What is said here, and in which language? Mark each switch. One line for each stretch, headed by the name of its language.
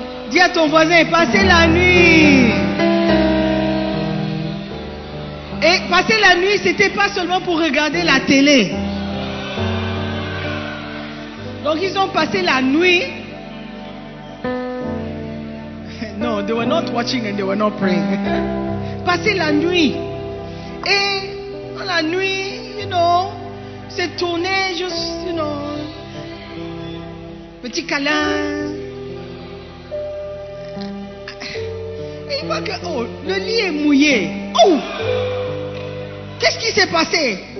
French: Dis à ton voisin, passer la nuit. Et passer la nuit, ce n'était pas seulement pour regarder la télé. Donc ils ont passé la nuit.
English: No, they were not watching and they were not praying.
French: Passer la nuit. Et dans la nuit, you know, c'est tourné juste, you know, petit câlin. Et il voit que, oh, le lit est mouillé. Oh! Qu'est-ce qui s'est passé?